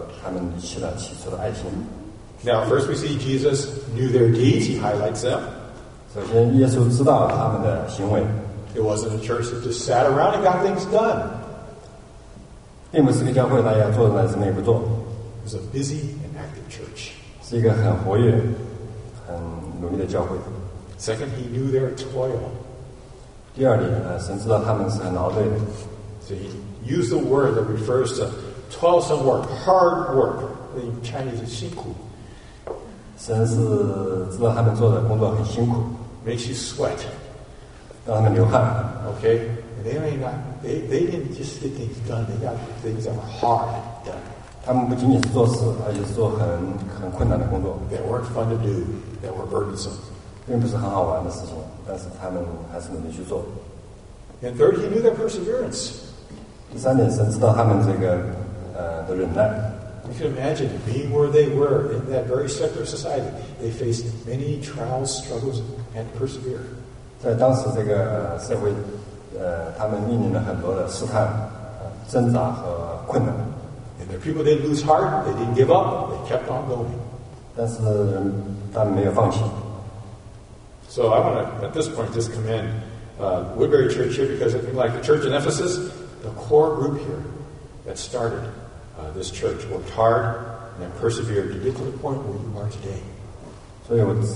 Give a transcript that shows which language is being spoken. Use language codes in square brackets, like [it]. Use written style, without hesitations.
[zh] 所以当你看到一到六章六节的时候，你会看到神其实没有很多的批评，唯一的一条提到就是说他们离弃了起初的爱情。 [en] Now first we see Jesus knew their deeds, he highlights them. [zh] 首先耶稣知道他们的行为。 [en] It wasn't a church that just sat around and got things done. [zh] 并不是个教会，大家坐在那什么也不做。 [en] It was a busy and active church. [zh] 是一个很活跃、很努力的教会。 [en] Second, he knew their toil. [zh] 第二点，神知道他们是很劳累的。 [en] So he used a word that refers to toilsome work, hard work. In Chinese, 辛苦. [zh] 神是知道他们做的工作很辛苦。 [en] Makes you sweat. [zh] 让他们流汗。 [en] Okay. They didn't just get things done. They got things that were hard done. [zh] 他们不仅仅是做事，而且是做很困难的工作。 [en] They weren't fun to do. They were burdensome. [zh] 并不是很好玩的事情，但是他们还是努力去做。 [en] And third, he knew their perseverance. [zh] 第三点，神知道他们这个的忍耐。 [en] You can imagine being where they were in that very secular society. They faced many trials, struggles, and persevered. [zh] 在当时这个社会，他们面临了很多的试探、挣扎和困难。 [en] And the people didn't lose heart, they didn't give up, they kept on going. [zh] 但是他们没有放弃。 [en] So I want to, at this point, just commend Woodbury Church here, because if you like the church in Ephesus, the core group here that started this church worked hard and persevered to get to the point where you are today.